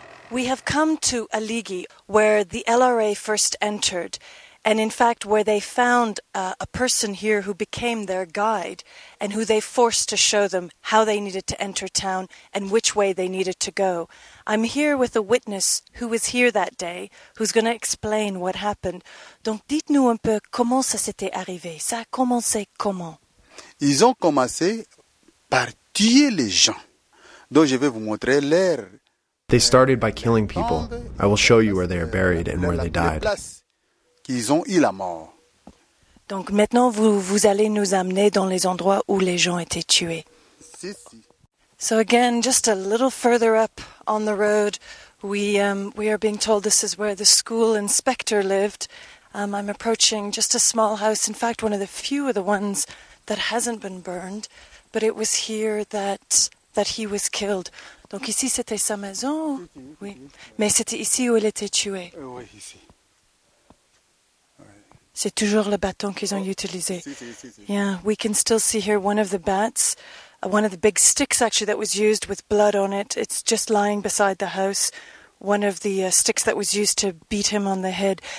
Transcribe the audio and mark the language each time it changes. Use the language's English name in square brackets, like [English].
[English] We have come to Aligi, where the LRA first entered. And in fact, where they found a person here who became their guide and who they forced to show them how they needed to enter town and which way they needed to go. I'm here with a witness who was here that day, who's going to explain what happened. [French] Donc dites-nous un peu comment ça s'était arrivé. Ça a commencé comment? Ils ont commencé par tuer les gens. Donc je vais vous montrer l'air. [English] They started by killing people. I will show you where they are buried and where they died. [French] Qu'ils ont eu la mort. Donc maintenant, vous allez nous amener dans les endroits où les gens étaient tués. Si, si. [English] So again, just a little further up on the road, we are being told this is where the school inspector lived. I'm approaching just a small house. In fact, one of the few of the ones that hasn't been burned. But it was here that he was killed. [French] Donc ici, c'était sa maison. Oui. Mais c'était ici où il était tué. Oui, ici. C'est toujours le bâton qu'ils ont utilisé. Si. [English] Yeah, we can still see here one of the bats, one of the big sticks actually that was used with blood on it. It's just lying beside the house. One of the sticks that was used to beat him on the head.